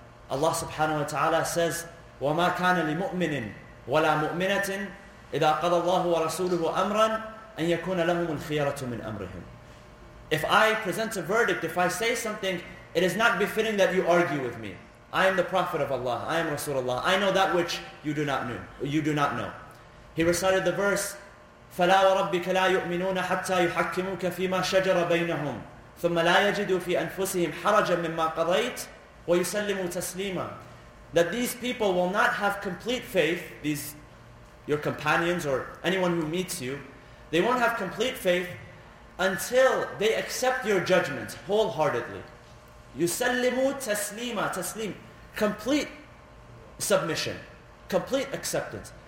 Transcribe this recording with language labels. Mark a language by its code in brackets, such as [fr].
[ar] Allah subhanahu wa ta'ala says, وَمَا كَانَ لِمُؤْمِنٍ وَلَا مُؤْمِنَةٍ إِذَا قَضَ اللَّهُ وَرَسُولُهُ أَمْرًا أَنْ يَكُونَ لَهُمُ الْخِيَرَةُ مِنْ أَمْرِهِمْ. [en] If I present a verdict, if I say something, it is not befitting that you argue with me. I am the Prophet of Allah. I am Rasulullah. I know that which you do not know. [ar] He recited the verse, فَلَا وَرَبِّكَ لَا يُؤْمِنُونَ حَتَّى يُحَكِّمُوكَ فِي مَا شَجَرَ بَيْنَهُمْ ثُمَّ لَا يَجِدُوا فِي أَنفُسِهِمْ حَرَجًا مِمَّا قَضَيْتَ وَيُسَلِّمُوا تَسْلِيمًا. [en] That these people will not have complete faith, these your companions or anyone who meets you, they won't have complete faith until they accept your judgment wholeheartedly. يُسَلِّمُوا تَسْلِيمًا. Taslim, complete submission, complete acceptance.